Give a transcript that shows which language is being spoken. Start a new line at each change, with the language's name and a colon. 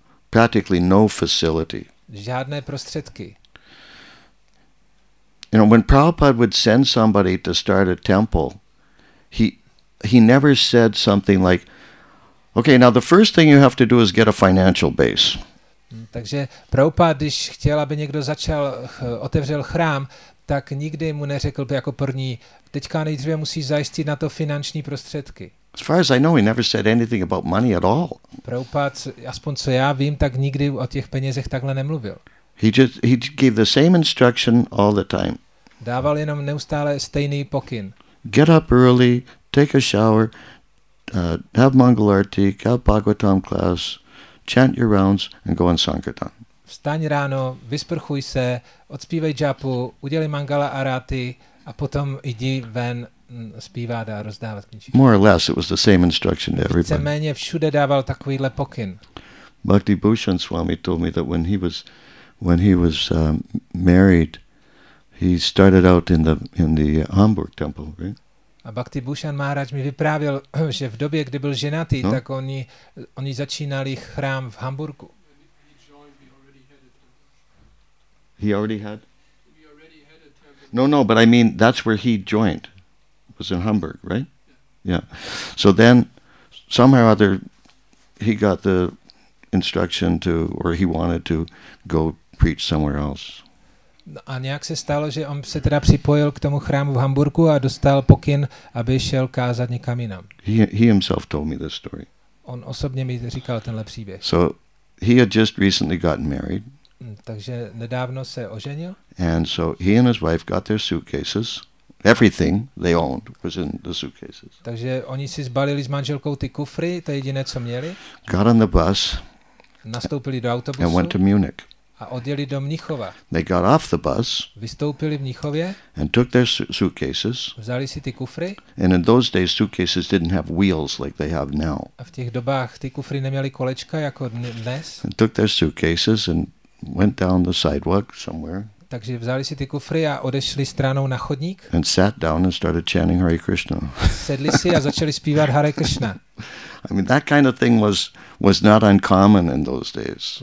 English: Practically no facility.
Czech: Žádné prostředky.
English: You know, when Prabhupada would send somebody to start a temple, he never said something like, okay, now the first thing you have to do is get a financial base.
Czech: Takže Prabhupada, když chtěl, aby někdo začal, otevřel chrám, tak nikdy mu neřekl jako první, teďka nejdříve musíš zajistit na to finanční prostředky.
English: As far as I know, he never said anything about money at all.
Czech: Prabhupada, aspoň co já vím, tak nikdy o těch penězech takhle nemluvil.
English: He gave the same instruction all the time.
Czech: Dával jenom neustále stejný pokyn.
English: Get up early, take a shower, have Mangal Arati, have Bhagavatam class, chant your rounds and go on Sankirtan.
Czech: Vstaň ráno, vysprchuj se, odspívej džapu, udělej Mangala Arati a potom jdi ven zpívat a rozdávat kničí.
English: More or less, it was the same instruction to everybody.
Czech: Víceméně všude dával takovýhle pokyn.
English: Bhakti Bhushan Swami told me that when he was married, he started out in the Hamburg temple, right?
Czech: A Bhakti Bhushan Maharaj mi vyprávil, že v době, kdy byl ženatý, no, tak oni začínali chrám v Hamburku.
English: He already had? No, no, but I mean, that's where he joined. It was in Hamburg, right? Yeah. So then, somehow or other, he got the instruction to, or he wanted to go preach somewhere else.
Czech: A nějak se stalo, že on se teda připojil k tomu chrámu v Hamburku a dostal pokyn, aby šel kázat někam jinam.
English: He himself told me this story.
Czech: On osobně mi říkal tenhle příběh.
English: So he had just recently gotten married.
Czech: Takže nedávno se oženil.
English: And so he and his wife got their suitcases. Everything they owned was in the suitcases.
Czech: Takže oni si zbalili s manželkou ty kufry, to jediné, co měli.
English: Got on the bus.
Czech: Nastoupili do autobusu.
English: And went to Munich.
Czech: A odjeli do Mnichova.
English: They got off the bus.
Czech: Vystoupili v Mnichově.
English: And took their suitcases.
Czech: Vzali si ty kufry.
English: And in those days suitcases didn't have wheels like they have now.
Czech: A v těch dobách ty kufry neměly kolečka jako dnes.
English: And took their suitcases and went down the sidewalk somewhere.
Czech: Takže vzali si ty kufry a odešli stranou na chodník.
English: And sat down and started chanting Hare Krishna.
Czech: Sedli si a začali zpívat Hare Krishna.
English: I mean, that kind of thing was not uncommon in those days.